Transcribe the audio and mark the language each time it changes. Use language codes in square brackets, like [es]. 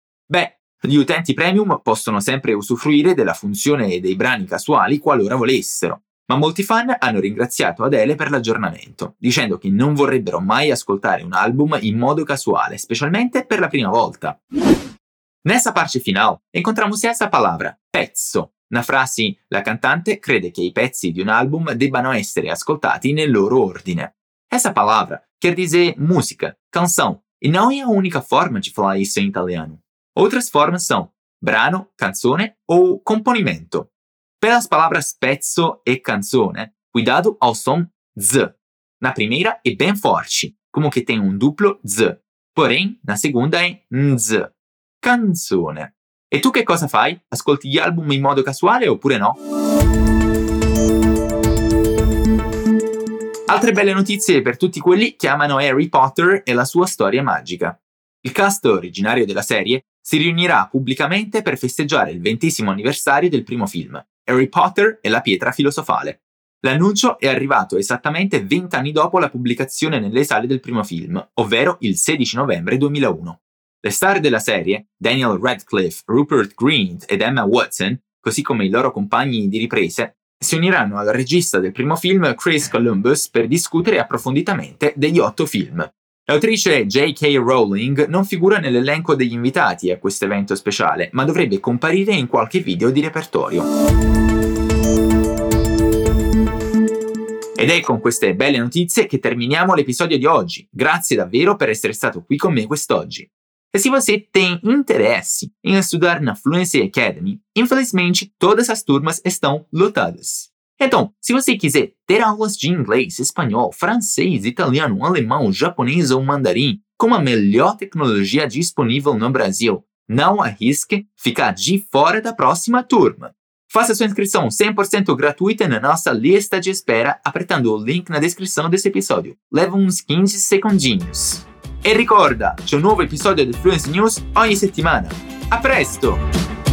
[it] Beh, gli utenti premium possono sempre usufruire della funzione dei brani casuali qualora volessero, ma molti fan hanno ringraziato Adele per l'aggiornamento, dicendo che non vorrebbero mai ascoltare un album in modo casuale, specialmente per la prima volta. [pt] Nessa parte final, encontramos essa palavra, pezzo. Na frase, [it] la cantante crede che i pezzi di un album debbano essere ascoltati nel loro ordine. [pt] Essa palavra quer dizer música, canção, e não é a única forma de falar isso em italiano. Outras formas são brano, canzone ou componimento. Pelas palavras pezzo e canzone, cuidado ao som z. Na primeira é bem forte, como que tem um duplo z. Porém, na segunda é nz. Canzone. [it] E tu che cosa fai? Ascolti gli album in modo casuale oppure no? Altre belle notizie per tutti quelli che amano Harry Potter e la sua storia magica. Il cast originario della serie si riunirà pubblicamente per festeggiare il 20° anniversario del primo film, Harry Potter e la pietra filosofale. L'annuncio è arrivato esattamente 20 anni dopo la pubblicazione nelle sale del primo film, ovvero il 16 novembre 2001. Le star della serie, Daniel Radcliffe, Rupert Grint ed Emma Watson, così come i loro compagni di riprese, si uniranno al regista del primo film, Chris Columbus, per discutere approfonditamente degli 8 film. L'autrice J.K. Rowling non figura nell'elenco degli invitati a questo evento speciale, ma dovrebbe comparire in qualche video di repertorio. Ed è con queste belle notizie che terminiamo l'episodio di oggi. Grazie davvero per essere stato qui con me quest'oggi. [pt] E se você tem interesse em estudar na Fluency Academy, infelizmente todas as turmas estão lotadas. Então, se você quiser ter aulas de inglês, espanhol, francês, italiano, alemão, japonês ou mandarim com a melhor tecnologia disponível no Brasil, não arrisque ficar de fora da próxima turma. Faça sua inscrição 100% gratuita na nossa lista de espera apertando o link na descrição desse episódio. Leva uns 15 segundinhos. [it] E ricorda, c'è un nuovo episodio di Fluency News ogni settimana. A presto!